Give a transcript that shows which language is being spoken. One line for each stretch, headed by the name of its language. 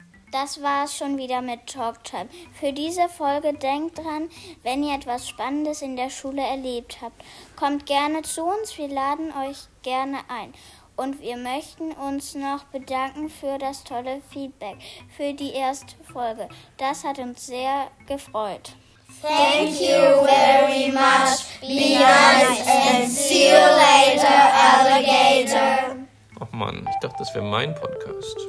German: Das war's schon wieder mit Talktime. Für diese Folge denkt dran, wenn ihr etwas Spannendes in der Schule erlebt habt, kommt gerne zu uns, wir laden euch gerne ein. Und wir möchten uns noch bedanken für das tolle Feedback für die erste Folge. Das hat uns sehr gefreut.
English: Thank you very much. Be nice and see you later, alligator.
German: Och Mann, ich dachte, das wäre mein Podcast.